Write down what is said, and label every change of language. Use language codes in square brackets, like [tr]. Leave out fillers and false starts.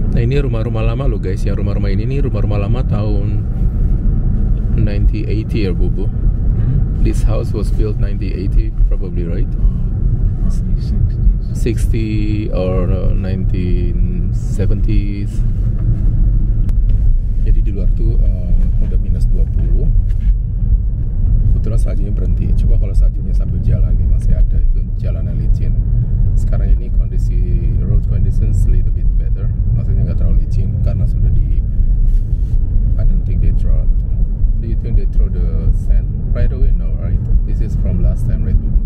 [id] Rumah-rumah lama loh guys, yang rumah-rumah ini rumah-rumah lama tahun 1980 ya Bubu. [en] This house was built 1980 probably, right? 60s or 1970s. [id] Jadi di luar tuh udah minus 20. Kebetulan saljunya berhenti. Coba kalau saljunya sambil jalan nih masih ada, itu jalanan licin. Sekarang ini kondisi road conditions a little bit better. Maksudnya nggak terlalu licin karena sudah di... [en] I don't think they throw... Do you think they throw the sand right away? No, right? This is from last time, right?